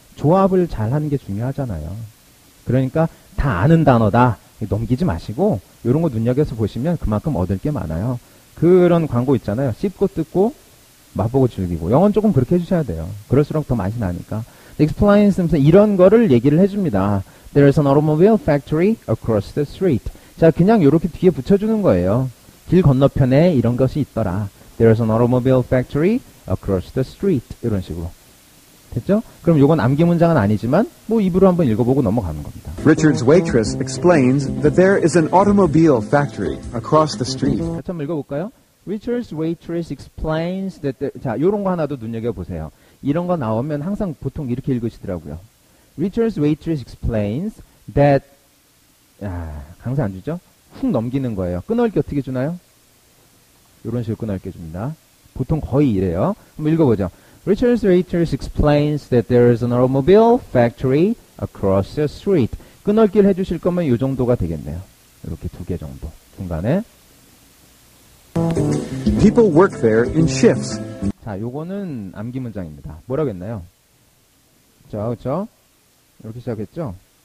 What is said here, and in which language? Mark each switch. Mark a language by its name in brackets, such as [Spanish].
[Korean] 조합을 잘 하는 게 중요하잖아요. 그러니까 다 아는 단어다 넘기지 마시고 이런 거 눈여겨서 보시면 그만큼 얻을 게 많아요. 그런 광고 있잖아요. 씹고 뜯고 맛보고 즐기고. 영어는 조금 그렇게 해주셔야 돼요. 그럴수록 더 맛이 나니까. Explains 이런 거를 얘기를 해줍니다. [English] There is an automobile factory across the street. [Korean] 자, 그냥 이렇게 뒤에 붙여주는 거예요. 길 건너편에 이런 것이 있더라. [English] There is an automobile factory across the street. [Korean] 이런 식으로. 됐죠? 그럼 이건 암기 문장은 아니지만 뭐 입으로 한번 읽어보고 넘어가는 겁니다. [English] Richard's waitress explains that there is an automobile factory across the street. [Korean] 같이 한번 읽어볼까요? [English] Richard's waitress explains that there, [Korean] 자, 이런 거 하나도 눈여겨보세요. 이런 거 나오면 항상 보통 이렇게 읽으시더라고요. [English] Richard's waitress explains that [Korean] 강사 안 주죠? 훅 넘기는 거예요. 끊어읽기 어떻게 주나요? 이런 식으로 끊어읽기 줍니다. 보통 거의 이래요. 한번 읽어보죠. [English] Richard's waitress explains that there is an automobile factory across the street. [Korean] 끊어읽기를 해주실 거면 이 정도가 되겠네요. 이렇게 두 개 정도 중간에. [English] People work there in shifts. [Korean] 자, 요거는 암기 문장입니다. 뭐라고 했나요? 자, 그렇죠? 이렇게 시작했죠?